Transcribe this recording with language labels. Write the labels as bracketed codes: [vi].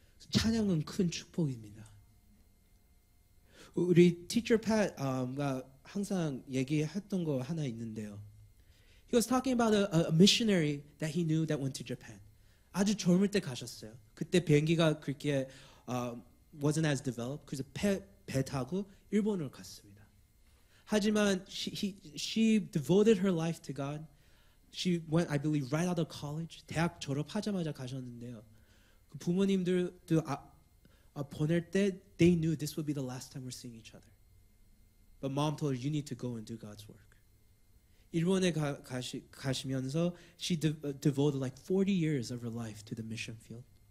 [ko] 찬양은 큰 축복입니다. 우리 teacher Pat가 항상 얘기했던 거 하나 있는데요. [en] He was talking about a missionary that he knew that went to Japan. [ko] 아주 젊을 때 가셨어요. 그때 비행기가 그렇게 [en] wasn't as developed. [ko] 그래서 배 타고 일본을 갔습니다. 하지만 [en] she devoted her life to God. She went, I believe, right out of college. [ko] 대학 졸업하자마자 가셨는데요. 부모님들도 보낼 때 [en] they knew this would be the last time we're seeing each other. But mom told her, you need to go and do God's work. [ko] 일본에 가시면서 [en] she devoted like 40 years of her life to the mission field.